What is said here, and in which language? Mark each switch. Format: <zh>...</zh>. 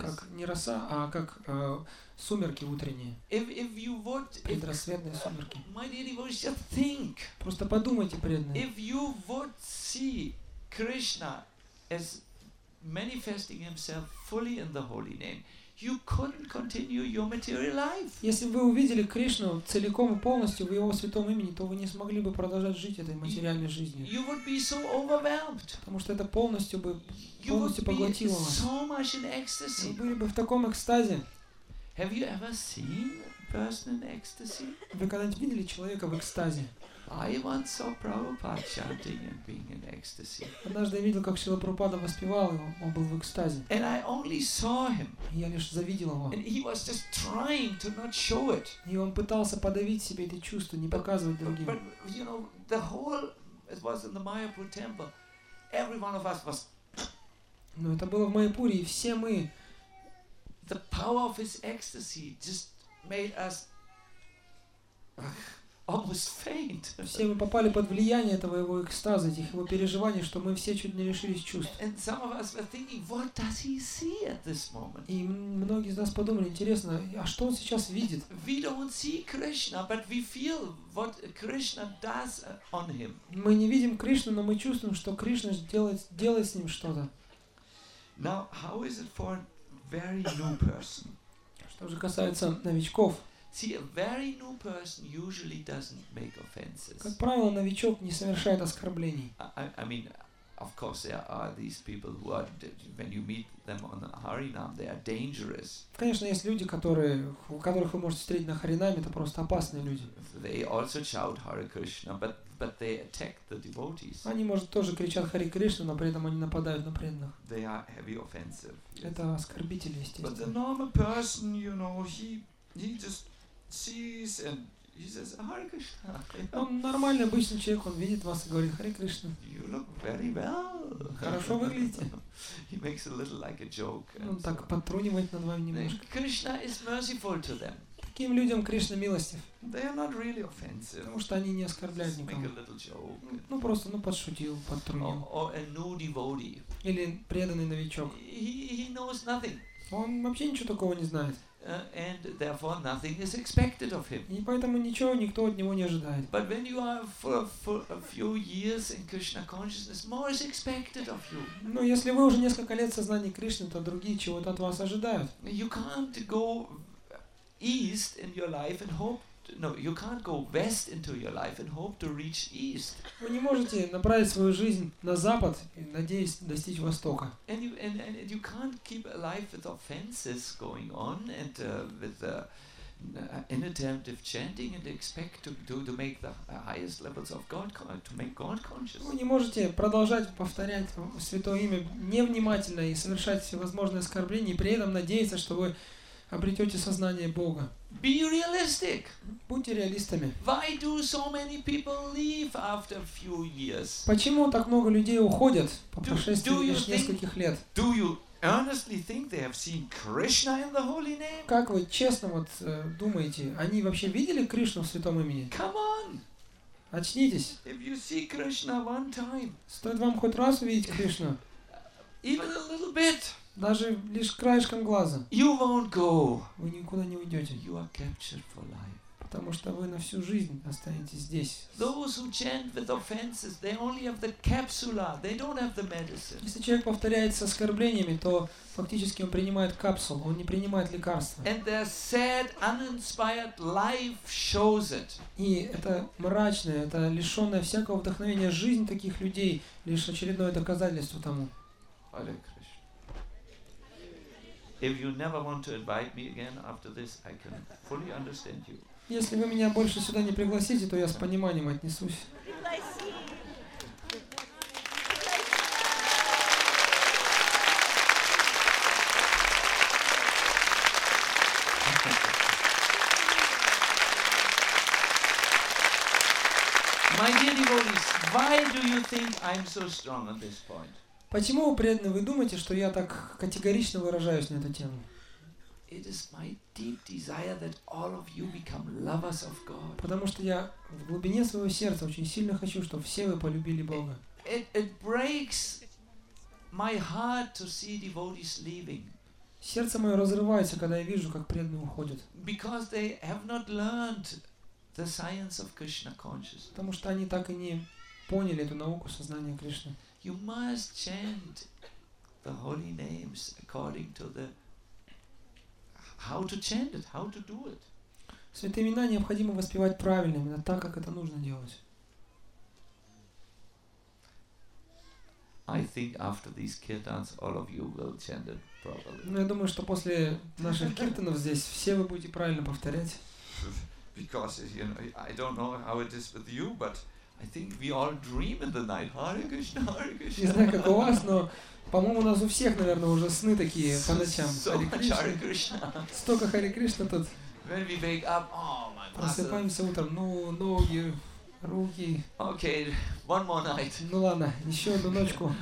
<ru>Как не роса, а как сумерки утренние.</ru> <en>If you would,</en> <ru>предрассветные сумерки.</ru> <en>My dear devotees, just think.</en> <ru>Просто подумайте, преданные.</ru> <en>If you would see Krishna as manifesting himself fully in the holy name, you couldn't continue your material life.</en> <ru>Если бы вы увидели Кришну целиком и полностью в его святом имени, то вы не смогли бы продолжать жить этой материальной жизнью.</ru> <en>You would be so overwhelmed.</en> <ru>Потому что это полностью бы полностью поглотило вас.</ru> <en>You would be so much in ecstasy.</en> <ru>Вы были бы в таком экстазе.</ru> <en>Have you ever seen a person in ecstasy?</en> <ru>Вы когда-нибудь видели человека в экстазе?</ru> <en>I once saw Prabhupada chanting and being in ecstasy.</en> <ru>Однажды я видел, как Шрила Прабхупада воспевал его, он был в экстазе.</ru> <en>And I only saw him.</en> <ru>Я лишь завидел его.</ru> <en>And he was just trying to not show it.</en> <ru>И он пытался подавить себе это чувство, не показывать другим.</ru> <en>But you know, the whole it was in the Mayapur temple. Every one of us was.</en> <ru>Но это было в Майяпуре, и все мы.</ru> <en>The power of his ecstasy just made us. Almost faint.</en> <ru>Все мы попали под влияние этого его экстаза, этих его переживаний, что мы все чуть не лишились чувств.</ru> <en>And some of us were thinking, what does he see at this moment?</en> <ru>И многие из нас подумали, интересно, а что он сейчас видит?</ru> <en>We don't see Krishna, but we feel what Krishna does on him.</en> <ru>Мы не видим Кришну, но мы чувствуем, что Кришна делает с ним что-то.</ru> <en>Now, how is it for a very new person?</en> <ru>Что же касается новичков?</ru> <en>See, a very new person usually doesn't make offenses.</en> <ru>Как правило, новичок не совершает оскорблений.</ru> <en>I mean, of course, there are these people who are, when you meet them on the Harinam, they are dangerous.</en> <ru>Конечно, есть люди, которых вы можете встретить на Харинаме, это просто опасные люди.</ru> <en>They also shout Hare Krishna, but they attack the devotees.</en> <ru>Они, может, тоже кричат Харе Кришна, но при этом они нападают на преданных.</ru> <en>They are heavy offensive.</en> <ru>Это оскорбители, естественно.</ru> <en>But the normal person, you know, he just sees and he says Hare Krishna.</en> <ru>Он нормальный обычный человек, он видит вас и говорит Hare Krishna.</ru> <en>You look very well.</en> <ru>Хорошо выглядите.</ru> <en>He makes a little like a joke.</en> <ru>Он так подтрунивает над вами немножко.</ru> <en>Krishna is merciful to them.</en> <ru>Таким людям Кришна милостив.</ru> <en>They are not really offensive.</en> <ru>Потому что они не оскорбляют никого.</ru> <en>Make a little joke.</en> <ru>Ну просто, ну подшутил, подтрунил.</ru> <en>Or a new devotee.</en> <ru>Или преданный новичок.</ru> <en>He knows nothing.</en> <ru>Он вообще ничего такого не знает.</ru> <en>And therefore nothing is expected of him.</en> <ru>И поэтому ничего никто от него не ожидает.</ru> <en>But when you are for a few years in Krishna consciousness, more is expected of you.</en> <ru>Но если вы уже несколько лет в сознании Кришны, то другие чего-то от вас ожидают.</ru> <en>You can't go east in your life and hope. No, you can't go west into your life and hope to reach east.</en> <ru>Вы не можете направить свою жизнь на запад, надеясь достичь востока.</ru> <en>And you can't keep a life with offenses going on and with inattentive chanting and expect to make the highest levels of God to make God conscious.</en> <ru>Вы не можете продолжать повторять святое имя невнимательно и совершать всевозможные оскорбления, и при этом надеяться, что вы обретете сознание Бога.</ru> <en>Be realistic.</en> <ru>Будьте реалистами.</ru> <en>Why do so many people leave after a few years?</en> <ru>Почему так много людей уходят по прошествии лишь нескольких лет?</ru> <en>Do you honestly think they have seen Krishna in the holy name?</en> <ru>Как вы честно вот думаете, они вообще видели Кришну в святом имени?</ru> <en>Come on.</en> <ru>Очнитесь.</ru> <en>If you see Krishna one time.</en> <ru>Стоит вам хоть раз увидеть Кришну?</ru> <en>Even a little bit.</en> <ru>Даже лишь краешком глаза.</ru> <en>You won't go.</en> <ru>Вы никуда не уйдете.</ru> <en>You are captured for life.</en> <ru>Потому что вы на всю жизнь останетесь здесь.</ru> <en>Those who chant with offenses, they only have the capsula. They don't have the medicine.</en> <ru>Если человек повторяет с оскорблениями, то фактически он принимает капсулу, он не принимает лекарства.</ru> <en>And their sad, uninspired life shows it.</en> <ru>И это мрачное, это лишенное всякого вдохновения жизнь таких людей лишь очередное доказательство тому. Олег.</ru> <en>If you never want to invite me again after this, I can fully understand you.</en> <ru>Если вы меня больше сюда не пригласите, то я с пониманием отнесусь.</ru> <en>My dear devotees, why do you think I'm so strong on this point?</en> <ru>Почему, преданные, вы думаете, что я так категорично выражаюсь на эту тему?</ru> <en>It is my deep desire that all of you become lovers of God.</en> <ru>Потому что я в глубине своего сердца очень сильно хочу, чтобы все вы полюбили Бога.</ru> <en>It breaks my heart to see devotees leaving.</en> <ru>Сердце мое разрывается, когда я вижу, как преданные уходят.</ru> <en>Because they have not learned the science of Krishna consciousness.</en> <ru>Потому что они так и не поняли эту науку сознания Кришны.</ru> <en>You must chant the holy names according to the how to chant it, how to do it.</en> <ru>Святые имена необходимо воспевать правильно, именно так, как это нужно делать.</ru> <en>I think after these kirtans, all of you will chant it properly.</en> <ru>Ну, я думаю, что после наших киртанов здесь все вы будете правильно повторять.</ru> <en>Because, you know, I don't know how it is with you, but I think we all dream in the night.</en> <sa>Hare Krishna, Hare Krishna.</sa> <ru>Не знаю, как у вас, но, по-моему, у нас у всех, наверное, уже сны такие по ночам.</ru> <sa>Hare Krishna.</sa> <ru>Столько Hare Krishna тут.</ru> <en>When we wake up, oh my God.</en> <ru>Просыпаемся утром, ну, ноги, руки.</ru> <en>Okay, one more night.</en> <ru>Ну ладно, еще одну ночку.</ru>